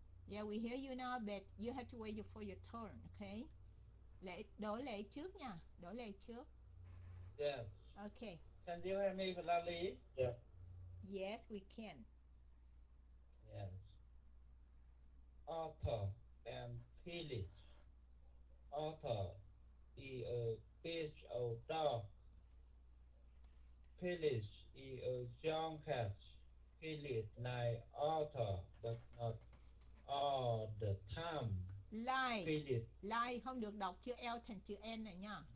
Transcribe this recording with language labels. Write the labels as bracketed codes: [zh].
[en] Yeah, we hear you now, but you have to wait for your turn, okay? [vi] Lễ, Đỗ Lệ trước nha, Đỗ Lệ trước. [en] Yeah. Okay. Can you hear me for loudly? Yeah. Yes, we can. Yes. Author and Phyllis. Author is a fish or dog. Phyllis is a young cat. Phyllis like author, but not all the time. Like. Phyllis. [vi] Like, không được đọc chữ L thành chữ N này nha.